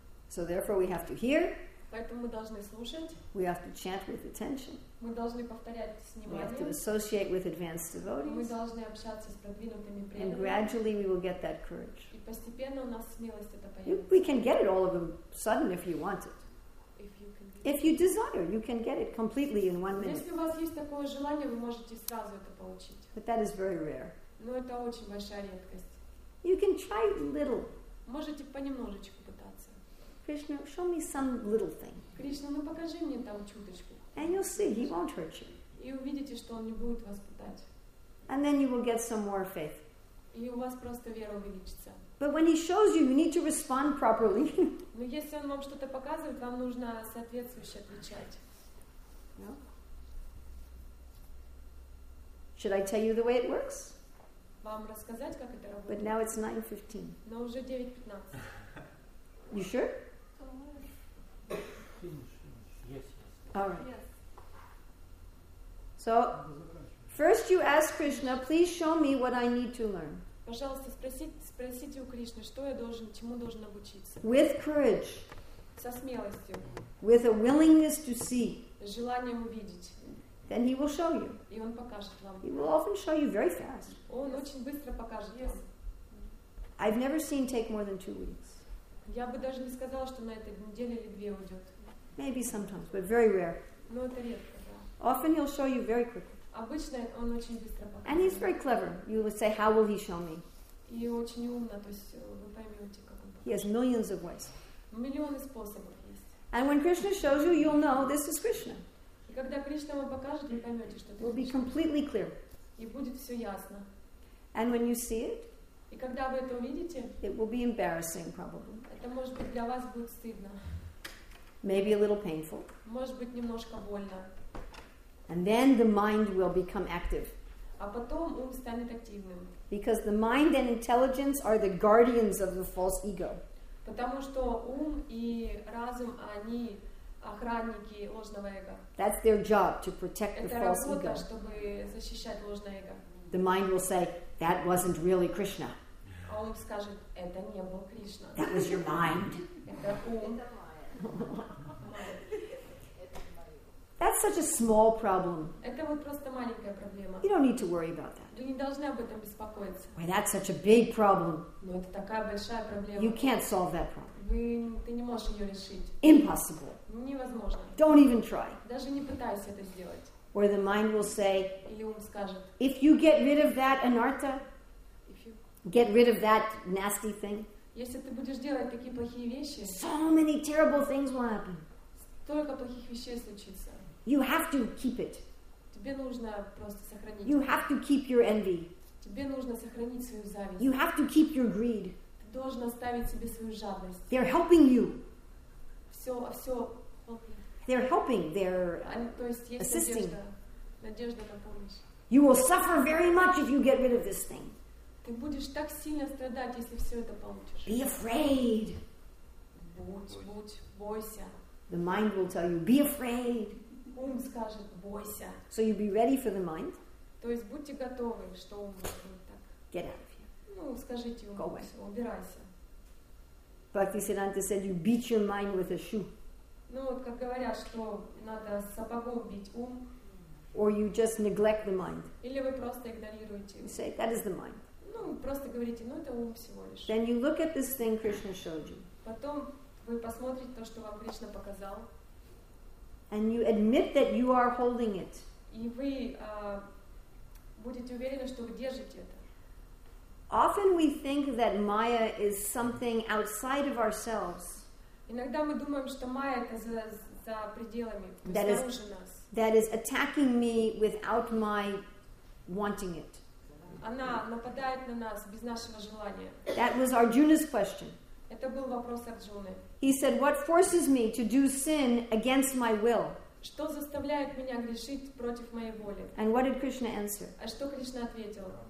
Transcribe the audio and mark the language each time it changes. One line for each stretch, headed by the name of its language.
English: So therefore we have to hear.
Russian: Поэтому мы должны слушать.
English: We have to chant with attention.
Russian: Мы должны повторять с вниманием.
English: We have to associate with advanced devotees.
Russian: Мы должны общаться с продвинутыми преданными.
English: And gradually we will get that courage.
Russian: И постепенно у нас смелость это появится.
English: We can get it all of a sudden if you want it. If you desire, you can get it completely in 1 minute.
Russian: Если у вас есть такое желание, вы можете сразу это получить.
English: But that is very rare.
Russian: Но это очень большая редкость.
English: You can try little.
Russian: Можете понемножечку пытаться.
English: Krishna, show me some little thing.
Russian: Кришна, ну покажи мне там чуточку.
English: And you'll see, he won't hurt you.
Russian: И увидите, что он не будет вас пытать.
English: And then you will get some more faith.
Russian: И у вас просто вера увеличится.
English: But when he shows you, you need to respond properly.
Russian: Но если он вам что-то показывает, вам нужно соответствующе отвечать.
English: No? Should I tell you the way it works?
Russian: Вам рассказать, как это работает?
English: But now it's 9:15.
Russian: Но уже 9:15.
English: You sure? Finish. All right. Yes. So, first you ask Krishna, please show me what I need to learn.
Russian: Пожалуйста, спросите у Кришны, что я должен, чему должен обучиться.
English: With courage.
Russian: Со смелостью.
English: With a willingness to see.
Russian: С желанием увидеть.
English: Then he will show you.
Russian: И он покажет вам.
English: He will often show you very fast.
Russian: Он очень быстро покажет вам.
English: I've never seen take more than 2 weeks.
Russian: Я бы даже не сказала, что на этой неделе или две уйдет.
English: Maybe sometimes, but very rare.
Russian: Но это редко, да.
English: Often he'll show you very quickly.
Russian: Обычно он очень быстро показывает.
English: And he's very clever. You would say, how will he show me?
Russian: И очень умно, то есть вы поймете, как он показывает.
English: He has millions of ways.
Russian: Миллионы способов есть.
English: And when Krishna shows you, you'll know this is Krishna.
Russian: И когда Кришна вам покажет, вы поймете, что это Кришна.
English: Will be completely clear.
Russian: И будет все ясно.
English: And when you see it,
Russian: и когда вы это увидите,
English: it will be embarrassing, probably.
Russian: Это может быть для вас будет стыдно.
English: Maybe a little painful.
Russian: Может быть немножко больно.
English: And then the mind will become active.
Russian: А потом ум станет активным.
English: Because the mind and intelligence are the guardians of the false ego.
Russian: Потому что ум и разум, они охранники ложного эго.
English: That's their job, to protect the false ego.
Russian: Это работа, чтобы защищать ложное эго.
English: The mind will say, that wasn't really Krishna.
Russian: А ум скажет, это не был Кришна.
English: That was your mind.
Russian: Это ум.
English: That's such a small problem.
Russian: Это вот просто маленькая проблема.
English: You don't need to worry about that.
Russian: Вы не должны об этом беспокоиться.
English: Why, that's such a big problem.
Russian: Но это такая большая проблема.
English: You can't solve that problem.
Russian: Ты не можешь ее решить.
English: Impossible.
Russian: Невозможно.
English: Don't even try.
Russian: Даже не пытайся это сделать.
English: Or the mind will say,
Russian: или ум скажет,
English: if you get rid of that anartha, get rid of that nasty thing,
Russian: если ты будешь делать такие плохие вещи,
English: so many terrible things will happen.
Russian: Столько плохих вещей случится.
English: You have to keep it.
Russian: Тебе нужно просто сохранить.
English: You have to keep your envy.
Russian: Тебе нужно сохранить свою зависть.
English: You have to keep your greed.
Russian: должно оставить себе свою жадность.
English: They're helping you.
Russian: Все.
English: They're helping. They're
Russian: то есть есть
English: assisting.
Russian: Надежда на помощь.
English: You will suffer very much if you get rid of this thing.
Russian: Ты будешь так сильно страдать, если все это получишь.
English: Be afraid.
Russian: Будь, бойся.
English: The mind will tell you, be afraid.
Russian: Ум скажет, бойся.
English: So you be ready for the mind.
Russian: То есть будьте готовы, что ум будет так.
English: Get out of here.
Russian: Ну, скажите ему,
English: go away.
Russian: Все, убирайся.
English: Bhaktisiddhanta said, you beat your mind with a shoe.
Russian: Ну, вот как говорят, что надо сапогом бить ум.
English: Or you just neglect the mind.
Russian: Или вы просто игнорируете.
English: You say, that is the mind.
Russian: Ну, просто говорите, ну, это ум всего лишь.
English: Then you look at this thing Krishna showed you.
Russian: Потом вы посмотрите то, что вам Кришна показал.
English: And you admit that you are holding it.
Russian: И вы будете уверены, что вы держите это.
English: Often we think that Maya is something outside of ourselves.
Russian: Иногда мы думаем, что Maya это за пределами, то есть снаружи нас.
English: That is attacking me without my wanting it.
Russian: Она нападает на нас без нашего желания.
English: That was Arjuna's question.
Russian: Это был вопрос Арджуны.
English: He said, "What forces me to do sin against my will?"
Russian: Что заставляет меня грешить против моей воли?
English: And what did Krishna answer?
Russian: А что Кришна ответил?